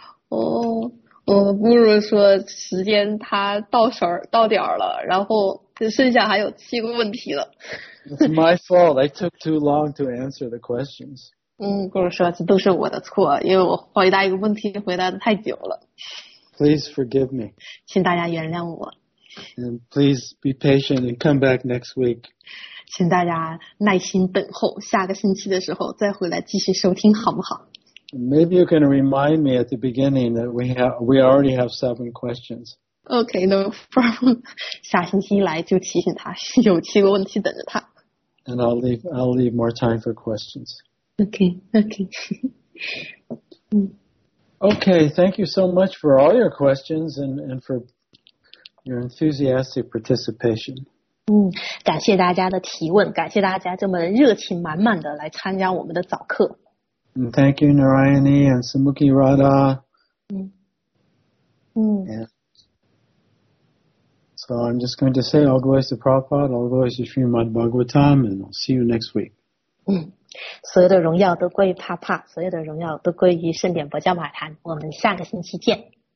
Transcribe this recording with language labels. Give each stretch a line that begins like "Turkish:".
Chinese: 我不如说时间它到点儿了，然后剩下还有七个问题了。
English: It's my fault. I took too long to answer the questions.
Chinese: 不如说这都是我的错，因为我回答一个问题回答的太久了。
English: Please forgive me.
Chinese: 请大家原谅我。
English: And please be patient and come back next week.
Chinese: 请大家耐心等候，下个星期的时候再回来继续收听，好不好？
English: Maybe you can remind me at the beginning that we already have 7 questions. Okay, no problem.
Chinese: 下星期来就提醒他，有七个问题等着他。
English: And I'll leave more time for questions. Okay. Okay, thank you so much for all your questions and for your enthusiastic participation.
Chinese: 感谢大家的提问，感谢大家这么热情满满的来参加我们的早课。
English: And thank you, Narayani and Samuki Radha. So I'm just going to say all glories to Prabhupada, all glories to Srimad Bhagavatam, and I'll see you next week.
Chinese: 所有的荣耀都归于帕帕，所有的荣耀都归于圣典佛教马坛。我们下个星期见。